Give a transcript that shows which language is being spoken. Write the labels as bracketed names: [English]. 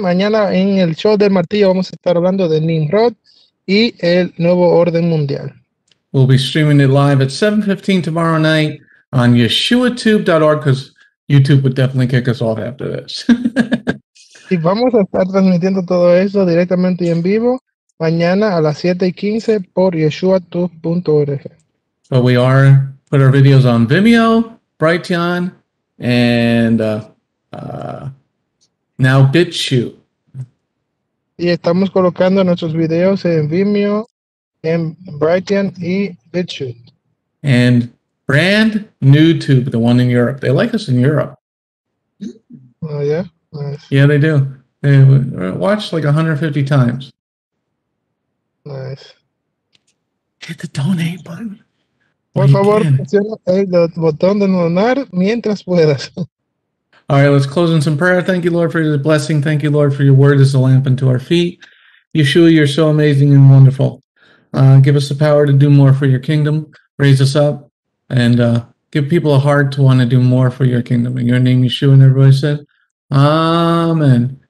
[Spanish] Mañana en el show del martillo vamos a estar hablando de Nimrod y el nuevo orden mundial. [English] We'll be streaming it live at 7:15 tomorrow night on yeshuatube.org because YouTube would definitely kick us off after this. [Spanish] Y vamos a estar transmitiendo todo eso directamente y en vivo mañana a las 7:15 por yeshuatube.org. [English] But we are put our videos on Vimeo, Brighteon, and now BitChute. [Spanish] Y estamos colocando nuestros videos en Vimeo, en Brighteon y BitChute. [English] And brand new tube, the one in Europe. They like us in Europe. Oh, yeah? Nice. Yeah, they do. They watch like 150 times. Nice. Hit the donate button. [Spanish] Por favor, presiona el botón de donar mientras puedas. [English] All right, let's close in some prayer. Thank you, Lord, for your blessing. Thank you, Lord, for your word as a lamp unto our feet. Yeshua, you're so amazing and wonderful. Give us the power to do more for your kingdom. Raise us up and give people a heart to want to do more for your kingdom. In your name, Yeshua, and everybody said, Amen.